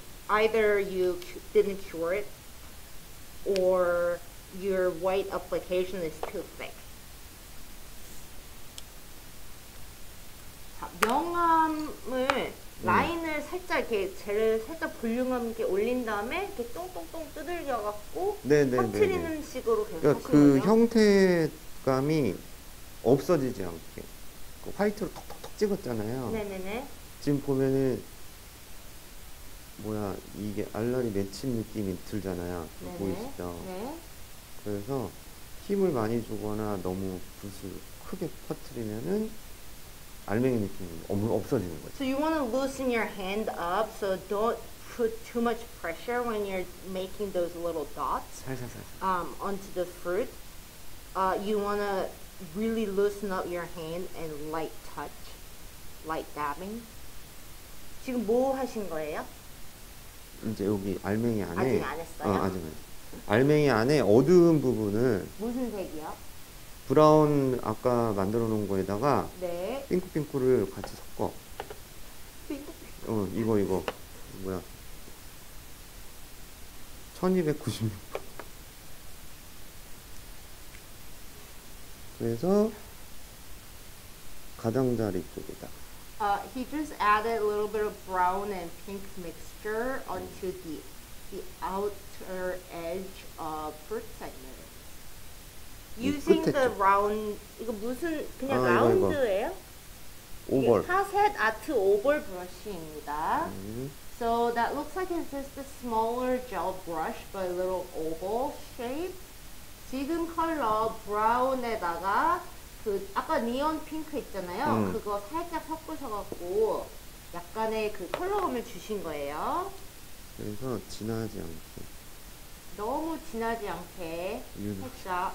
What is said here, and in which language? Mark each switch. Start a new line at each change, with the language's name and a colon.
English: Either you didn't cure it, or your white application is too thick.
Korean: 자, 명암을 라인을 살짝 이렇게 젤을 살짝 볼륨감 있게 올린 다음에 이렇게 똥똥똥 두들겨 갖고 터트리는 식으로 계속. 그러니까 그 형태감이 없어지지 않게 그 화이트로 톡톡톡 찍었잖아요. 네네네. 지금 보면은. 뭐야 이게 알알이 맺힌 느낌이 들잖아요. 보이시죠? 네. 그래서 힘을 많이 주거나 너무 붓을 크게 퍼뜨리면은 알맹이 느낌이 없어지는 거죠.
English: So you want to loosen your hand up, so don't put too much pressure when you're making those little dots.
Korean: 살살살살.
English: Onto the fruit, you want to really loosen up your hand and light touch, light dabbing.
Korean: 지금 뭐 하신 거예요? 이제 여기 알맹이 안에 아직 안 했어요? 아직은 알맹이 안에 어두운 부분을 무슨 색이요? 브라운 아까 만들어 놓은 거에다가 네 핑크핑크를 같이 섞어 핑크핑크 이거 뭐야 1296 그래서 가장자리 쪽에다
English: He just added a little bit of brown and pink mixture onto the outer edge of fruit segment. Using the round,
Korean: 이거 무슨 그냥 라운드예요? 오벌. 하셋 아트 오벌 브러쉬입니다.
English: So that looks like it's just a smaller gel brush, but a little oval shape.
Korean: 지금 컬러 브라운에다가 그 아까 니온 핑크 있잖아요. 그거 살짝 섞으셔 갖고 약간의 그 컬러감을 주신 거예요. 그래서 진하지 않게. 너무 진하지 않게. 진짜